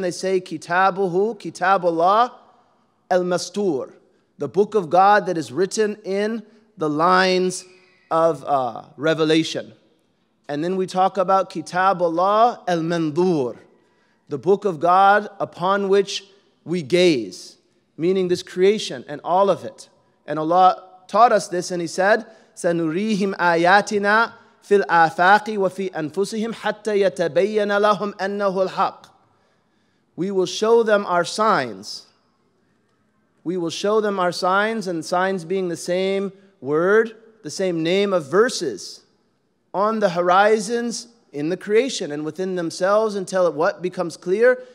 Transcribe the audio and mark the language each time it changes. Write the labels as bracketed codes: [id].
[en] They say, Kitabuhu, Kitabullah, al-Mastur, the book of God that is written in the lines of revelation. And then we talk about Kitabullah, al-Mandur, the book of God upon which we gaze, meaning this creation and all of it. And Allah taught us this, and he said, [ar] سَنُرِيهِمْ آيَاتِنَا فِي الْآفَاقِ وَفِي أَنفُسِهِمْ حَتَّى يَتَبَيَّنَ لَهُمْ أَنَّهُ الْحَقِّ. [en] We will show them our signs. We will show them our signs, and signs being the same word, the same name of verses, on the horizons in the creation and within themselves, until what becomes clear?